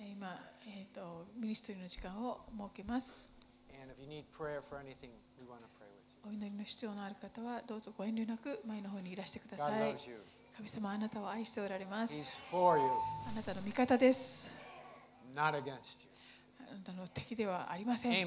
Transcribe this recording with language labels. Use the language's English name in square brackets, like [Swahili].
[Japanese] 今、ミニストリーの時間を設けます。 [English] And if you need prayer for anything, we want to pray with you. [Japanese] お祈りの必要のある方はどうぞご遠慮なく前の方にいらしてください。 [English] God loves you. [Japanese] 神様あなたを愛しておられます。 [English] He's for you. [Japanese] あなたの味方です。 [English] Not against you. [Japanese] あなたの敵ではありません。